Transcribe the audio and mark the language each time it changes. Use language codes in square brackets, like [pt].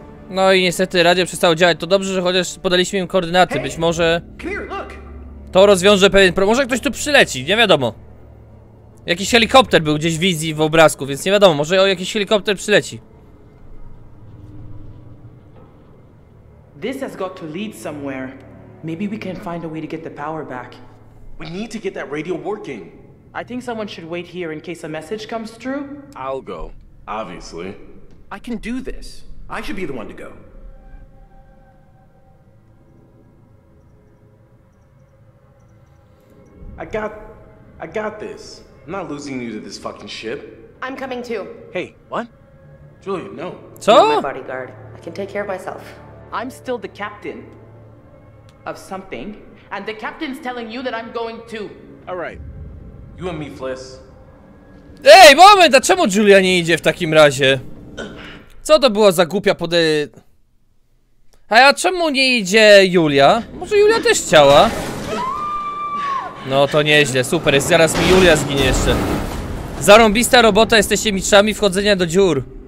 [pl] No i niestety radio przestało działać. To dobrze, że chociaż podaliśmy im koordynaty. Być może to rozwiąże pewien problem. Może ktoś tu przyleci, nie wiadomo. Jakiś helikopter był gdzieś w wizji, w obrazku, więc nie wiadomo, może jakiś helikopter przyleci. [en] This has got to lead somewhere. Maybe we can find a way to get the power back. We need to get that radio working. I think someone should wait here in case a message comes through. I'll go, obviously. I can do this. I should be the one to go. I got this. I'm not losing you to this fucking ship. I'm coming too. Hey, what? Julian, no. So? You're my bodyguard. I can take care of myself. I'm still the captain of something. And the captain's telling you that I'm going too. All right. You and me, Fliss. [pl] Ej, moment! A czemu Julia nie idzie w takim razie? Co to było za głupia pody... A ja czemu nie idzie Julia? Może Julia też chciała? No to nieźle, super. Jest, zaraz mi Julia zginie jeszcze. Zarąbista robota, jesteście mistrzami wchodzenia do dziur.